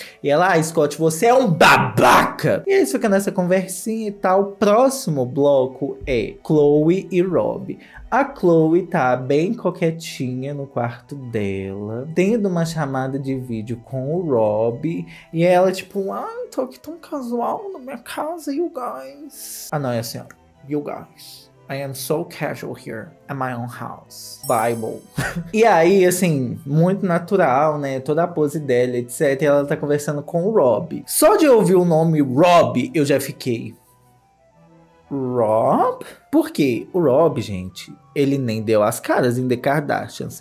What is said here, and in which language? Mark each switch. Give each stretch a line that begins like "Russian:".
Portuguese: E ela, ah, Scott, você é um babaca! E aí fica nessa conversinha e tal. O próximo bloco é Chloe e Rob. A Chloe tá bem coquetinha no quarto dela, tendo uma chamada de vídeo com o Rob. E ela, tipo, ah, tô aqui tão casual na minha casa,
English: you guys.
Portuguese: Ah, não, é assim, ó.
English: You guys. I am so casual here at my own house. Bible.
Portuguese: E aí, assim, muito natural, né? Toda a pose dela, etc. E ela tá conversando com o Rob. Só de ouvir o nome Rob, eu já fiquei... Rob? Por quê? O Rob, gente, ele nem deu as caras em The Kardashians.